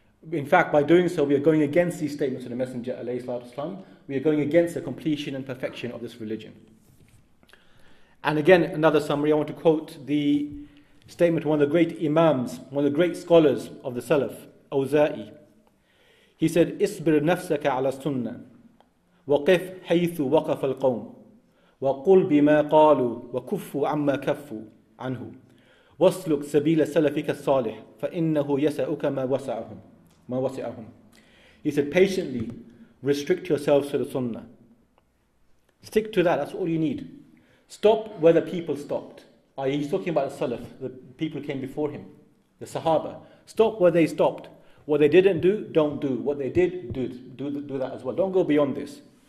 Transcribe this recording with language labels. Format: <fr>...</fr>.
<en>In fact, by doing so, we are going against these statements of the Messenger alayhi salatu wasalam. We are going against the completion and perfection of this religion. And again, another summary, I want to quote the statement of one of the great imams, one of the great scholars of the Salaf, Awza'i. He said,</en> <ar>اصبر نفسك على السنة وقف حيث وقف القوم وقل بما قالوا وكفوا عما كفوا عنه وسلك سبيل سلفك الصالح فإنه يسعك ما وسعهم.</ar> <en>He said, patiently restrict yourselves to the Sunnah. Stick to that, that's all you need. Stop where the people stopped. He's talking about the Salaf, the people who came before him, the Sahaba. Stop where they stopped. What they didn't do, don't do. What they did, do that as well. Don't go beyond this.</en>